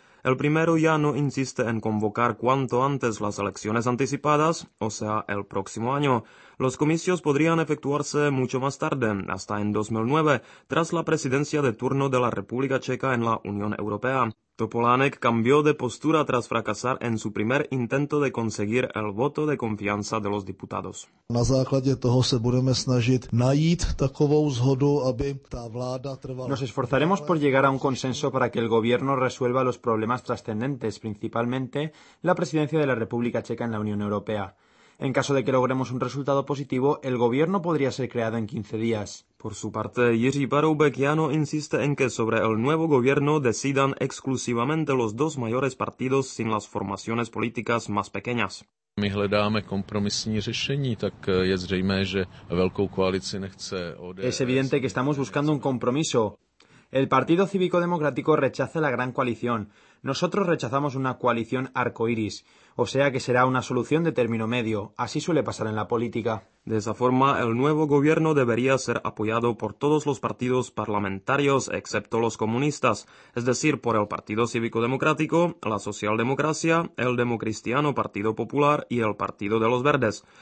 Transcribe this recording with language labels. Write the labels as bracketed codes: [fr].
[es] El primero ya no insiste en convocar cuanto antes las elecciones anticipadas, o sea, el próximo año. Los comicios podrían efectuarse mucho más tarde, hasta en 2009, tras la presidencia de turno de la República Checa en la Unión Europea. Topolánek cambió de postura tras fracasar en su primer intento de conseguir el voto de confianza de los diputados. [cs] Na základě toho se budeme snažit najít takovou zhodu, aby ta vláda trvala. [es] Nos esforzaremos por llegar a un consenso para que el gobierno resuelva los problemas trascendentes, principalmente la presidencia de la República Checa en la Unión Europea. En caso de que logremos un resultado positivo, el gobierno podría ser creado en 15 días. Por su parte, Jiří Paroubek ya no insiste en que sobre el nuevo gobierno decidan exclusivamente los dos mayores partidos sin las formaciones políticas más pequeñas. [cs] My hledáme kompromisní řešení, tak je zřejmé, že velkou koalici nechce ODS. [es] Es evidente que estamos buscando un compromiso. El Partido Cívico Democrático rechaza la gran coalición. Nosotros rechazamos una coalición arcoíris, o sea que será una solución de término medio. Así suele pasar en la política. De esa forma, el nuevo gobierno debería ser apoyado por todos los partidos parlamentarios, excepto los comunistas, es decir, por el Partido Cívico Democrático, la Socialdemocracia, el Democristiano Partido Popular y el Partido de los Verdes.